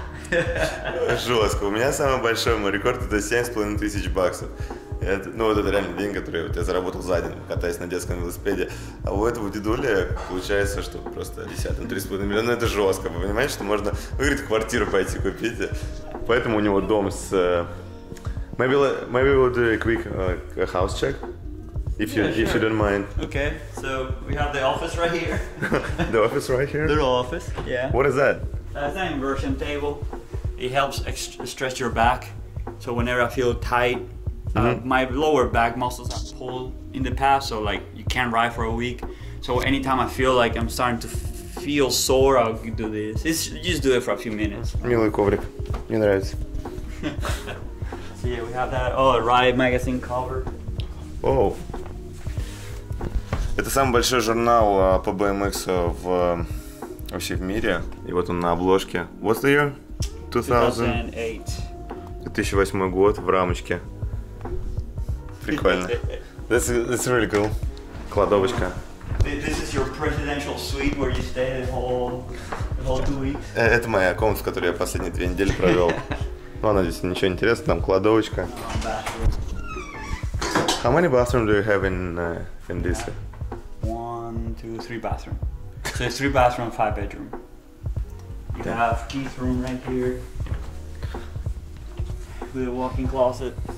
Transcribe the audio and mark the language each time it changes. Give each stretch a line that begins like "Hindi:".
Russian: Жестко. У меня самый большой мой рекорд это 7,500 баксов. Это, ну, вот это реально деньги, которые вот я заработал за день, катаясь на детском велосипеде. А у этого дедули получается, что просто 10-3,5 миллиона. Ну, это жестко, вы понимаете, что можно выиграть квартиру, пойти купить. Поэтому у него дом с...
English: Maybe we'll do a quick house check, if you don't mind. Okay, so we have the office right here. The office right here? Little office, yeah. What is that? It's an inversion table. It helps stretch your back, so whenever I feel tight, my lower back muscles have pulled in the past, so like you can't ride for a week. So anytime I feel like I'm starting to feel sore, I'll do this. Just do it for a few minutes.
Russian: Милый коврик, мне нравится.
English: So yeah, we have that. Oh, a Ride magazine cover. Oh.
Russian: Это самый большой журнал по BMX вообще в мире. И вот он на обложке.
English: What's the year?
Russian: 2008 год в рамочке. Прикольно.
English: That's really cool.
Russian: Кладовочка.
English: This is your presidential suite where you stay the whole 2 weeks.
Russian: Это моя комната, в которой я последние 2 недели провел. Ну, она здесь ничего интересного, там кладовочка.
English: How many bathrooms do you have in this? 1, 2, 3 bathroom. So it's 3 bathroom, 5 bedroom. You have Keith's room right here with a walk-in closet.